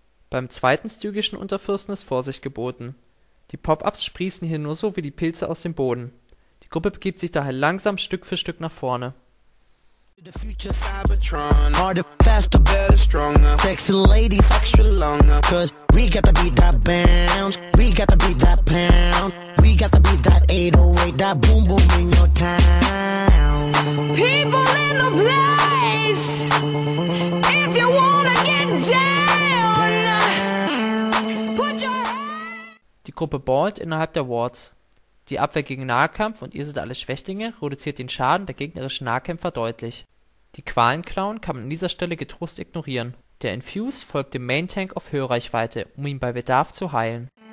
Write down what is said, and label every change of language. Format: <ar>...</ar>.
<de>Beim zweiten stygischen Unterfürsten ist Vorsicht geboten. Die Pop-Ups sprießen hier nur so wie die Pilze aus dem Boden. Die Gruppe begibt sich daher langsam Stück für Stück nach vorne.</de> <en>The future Cybertron, harder, faster, better, stronger, sexy ladies extra longer, cause we gotta beat that bounce, we gotta beat that pound, we gotta beat that 808, that boom boom in your town. People in the place, if you wanna get down, put your hands.</en> <de>Die Gruppe ballt innerhalb der Wards. Die Abwehr gegen Nahkampf und ihr seid alle Schwächlinge reduziert den Schaden der gegnerischen Nahkämpfer deutlich. Die Qualenclown kann man an dieser Stelle getrost ignorieren. Der Infuse folgt dem Main Tank auf Hörreichweite, um ihn bei Bedarf zu heilen.</de>